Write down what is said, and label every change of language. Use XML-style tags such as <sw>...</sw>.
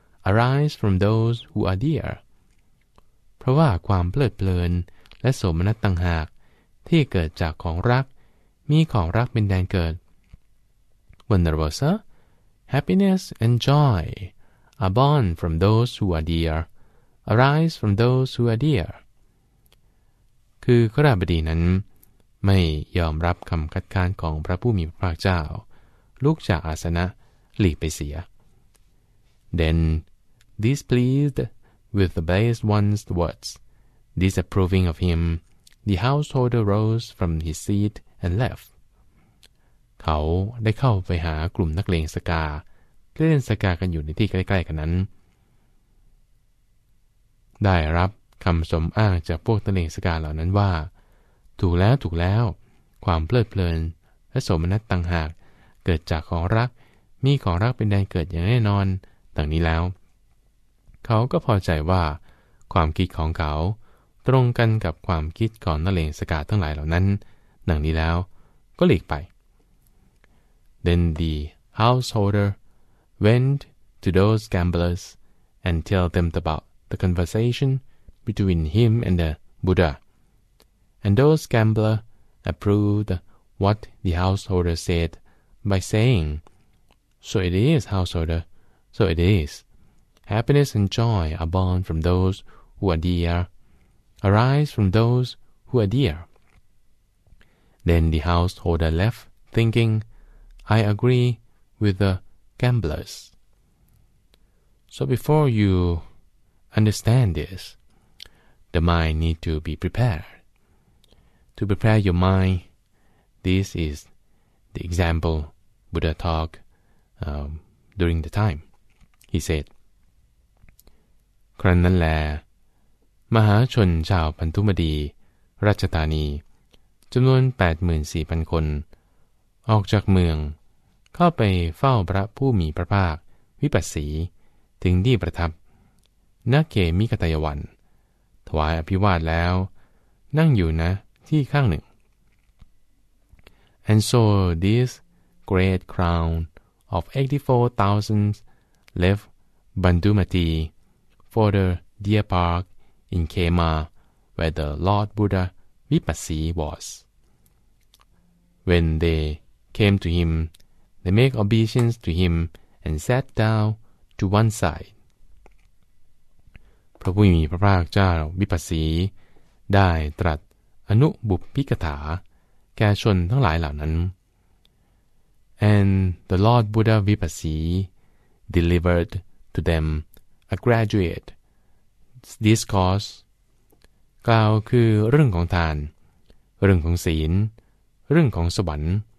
<en>Arise from those who are dear.</en> <th>เพราะว่าความเพลิดเพลินและโสมนัสต่างหากที่เกิดจากของรักมีของรักเป็นแดนเกิด</th> <en>Wonderful, sir. Happiness and joy are born from those who are dear. Arise from those who are dear.</en> <th>คือข้าพเจ้านั้นไม่ยอมรับคำคัดค้านของพระผู้มีพระภาคเจ้าลุกจากอาสนะหลีกไปเสีย</th> <en>Then, displeased with the blessed one's words, disapproving of him, the householder rose from his seat and left.</en> <th>เขาได้เข้าไปหากลุ่มนักเลงสกาเ เล่นสกากันอยู่ในที่ใกล้ๆกันนั้นได้รับคำสมอ้างจากพวกตะเลงสกาเหล่านั้นว่าถูกแล้วถูกแล้วความเพลิดเพลินและโสมนัสต่างหากเกิดจากของรักมีของรักเป็นแดนเกิดอย่างแน่นอนดังนี้แล้ว เขาก็พอใจว่าความคิดของเขาตรงกันกับความคิดของตะเลงสกาทั้งหลายเหล่านั้นดังนี้แล้วก็หลีกไป</th> <en>Then the householder went to those gamblers and tell them about the conversation between him and the Buddha. And those gamblers approved what the householder said by saying, So it is, householder, so it is. Happiness and joy are born from those who are dear, arise from those who are dear. Then the householder left, thinking, I agree with the gamblers. So before you understand this, the mind need to be prepared. To prepare your mind, this is the example Buddha talk during the time. He said,</en> <th>ครั้นนั้นแลมหาชนชาวพันธุมดีราชธานีจำนวน 84,000 คน ออกจากเมืองเข้าไปเฝ้าพระผู้มีพระภาควิปัสสีถึงที่ประทับณเขมิกตยวันถวายอภิวาทแล้วนั่งอยู่นะที่ข้างหนึ่ง</th> <en>And so this great crowd of 84,000 left Bandhumati for the deer park in Kema where the Lord Buddha Vipassi was. When they came to him, they made obeisance to him and sat down to one side.</en> <th>พระผู้มีพระภาคเจ้าวิปัสสีได้ตรัสอนุบุพพิกถาแก่ชนทั้งหลายเหล่านั้น</th> <en>And the Lord Buddha Vipassi delivered to them a graduate discourse</en> <th>กล่าวคือเรื่องของทานเรื่องของศีลเรื่องของสวรรค์</th>